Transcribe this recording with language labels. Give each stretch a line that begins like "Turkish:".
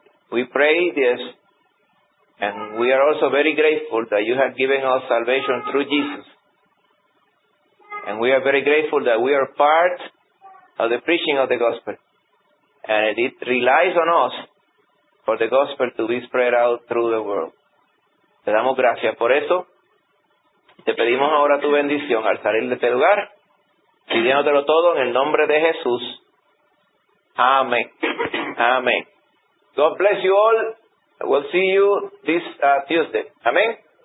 English: We pray this, and we are also very grateful that you have given us salvation through Jesus. And we are very grateful that we are part of the preaching of the gospel. And it relies on us for the gospel to be spread out through the world.
Spanish: Te damos gracias por eso. Te pedimos ahora tu bendición al salir de este lugar, pidiéndotelo todo en el nombre de Jesús. Amén.
English: Amén. God bless you all. I will see you this Tuesday. Amén.